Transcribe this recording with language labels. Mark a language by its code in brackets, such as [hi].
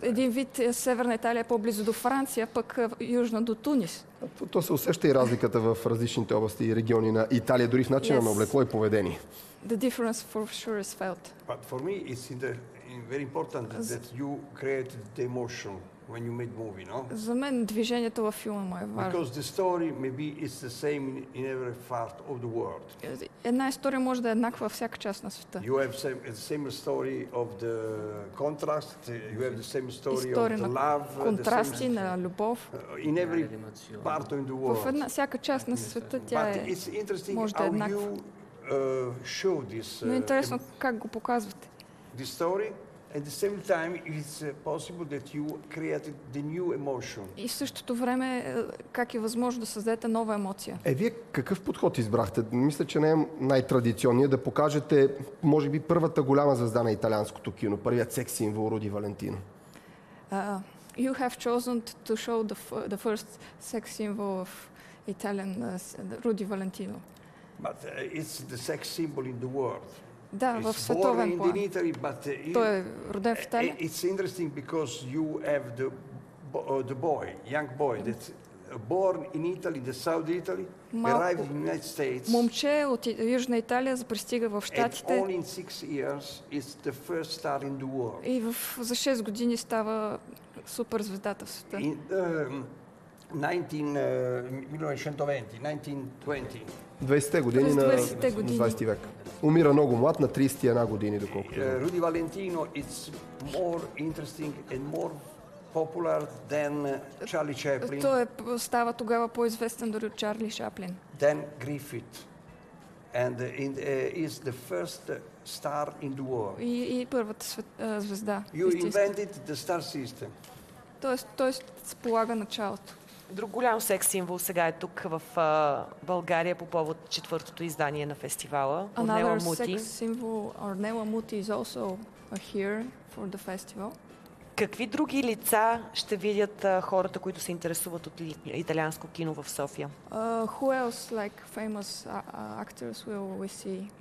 [bg] един вид северна Италия е по-близо до Франция, пък южна до Тунис. То се усеща и разликата в различните области и региони на Италия, дори в начина на облекло и поведение. [en] The difference for sure is felt. But for me it's very important that you create the emotion when you make movie, no? [bg] За мен движението във филма му е важно. [en] Because the story maybe is the same in every part of the world. [bg] Една история може да е еднаква във всяка част на света. [en] You have same story of the contrast, you have the same story of the love, [bg] контрасти на любов. [en] In every part of the world. [bg] Във всяка част на света тя е. [en] But it's interesting how you show this. [bg] Но интересно как го показвате. [en] The story at the same time it's possible that you created the new emotion. [bg] И в същото време как е възможно да създадете нова емоция? Е, вие какъв подход избрахте? Мисля, че не е най-традиционният да покажете може би първата голяма звезда на италианското кино, първият секс символ Руди Валентино. [en] You have chosen to show the first sex symbol of Italian Руди Валентино. But it's the sex symbol in the world. [bg] Да, в световен план. [en] Italy, [bg] той е роден в Италия. [en] It's interesting because you have the boy, young boy that's born in Italy, the South Italy, arrived in the United States. [bg] Момче от Южна Италия запристига в Щатите. [en] And only in 6 years is the first star in the world. [bg] И за 6 години става суперзвездата в света. [en] In 1920 [bg] 20-те години на 20-ти век. Умира много млад на 31 години доколкото. [en] Руди Валентино is more interesting and more popular than Charlie Chaplin. [bg] Той става тогава по-известен дори от Чарли Чаплин. [en] Then Griffith and is the first star in the world. [bg] И първата звезда. [en] You invented the star system. [bg] Тоест той полага началото. Друг голям секс символ сега е тук в България по повод четвъртото издание на фестивала. [en] Another sex symbol, Ornella Muti is also here for the festival. [bg] Какви други лица ще видят хората, които се интересуват от италианско кино в София? [en] Who else like famous actors will we see?